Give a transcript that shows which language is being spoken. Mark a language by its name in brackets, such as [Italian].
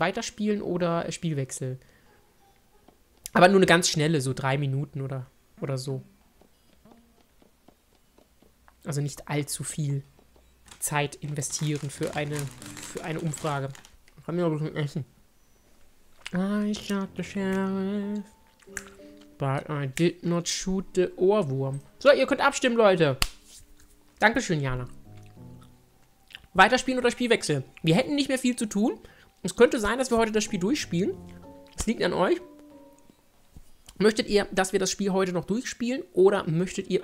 [German] Weiterspielen oder Spielwechsel? Aber nur eine ganz schnelle, so 3 Minuten oder so. Also nicht allzu viel Zeit investieren für eine Umfrage. Ich kann mir noch ein bisschen essen. [English] I shot the sheriff, but I did not shoot the Ohrwurm. [German] So, ihr könnt abstimmen, Leute. Dankeschön, Jana. Weiterspielen oder Spielwechsel? Wir hätten nicht mehr viel zu tun. Es könnte sein, dass wir heute das Spiel durchspielen. Es liegt an euch. Möchtet ihr, dass wir das Spiel heute noch durchspielen? Oder möchtet ihr...